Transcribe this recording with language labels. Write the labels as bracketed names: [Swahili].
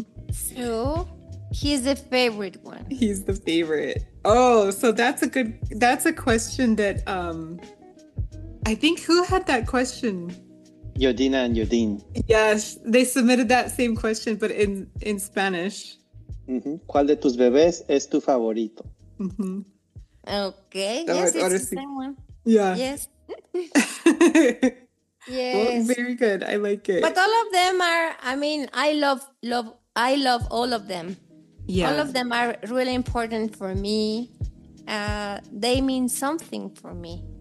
[English] So he's the favorite one. He's the favorite. Oh, so that's a question that, I think who had that question? Yodina and Yodin. Yes, they submitted that same question, but in Spanish. Mm-hmm. [Spanish] ¿Cuál de tus bebés es tu favorito? Mm-hmm. [English] Okay, oh, yes, it's the same one. Yeah. Yes. Yes. Well, very good. I like it. But all of them are, I mean, I love all of them. Yeah. All of them are really important for me. They mean something for me.